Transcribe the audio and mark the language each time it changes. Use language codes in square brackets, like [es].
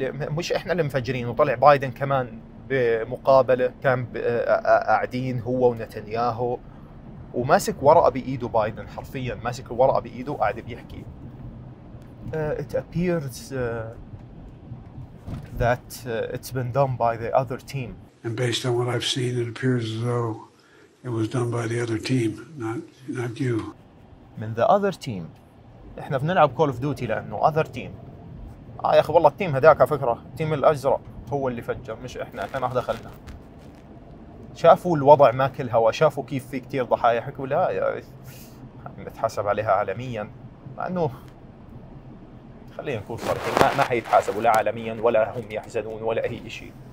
[ar] مش احنا اللي مفجرين. وطلع بايدن كمان بمقابلة، كان قاعدين هو ونتنياهو وماسك ورقة بإيده، بايدن حرفيا ماسك الورقة بإيده وقاعد بيحكي. [en] It appears that it's been done by the other team. And based on what I've seen, it appears as though it was done by the other team, not you. [ar] من [en] the other team. [ar] احنا بنلعب Call of Duty لأنه other team. يا اخي والله التيم هداك على فكرة، التيم الأزرق هو اللي فجر، مش احنا، احنا ما دخلنا. شافوا الوضع ماكل هوا، شافوا كيف في كتير ضحايا، حكوا لا يا متحاسب عليها عالميا. مع انه خلينا نكون صريحين، ما حيتحاسبوا لا عالميا ولا هم يحزنون ولا اي اشي.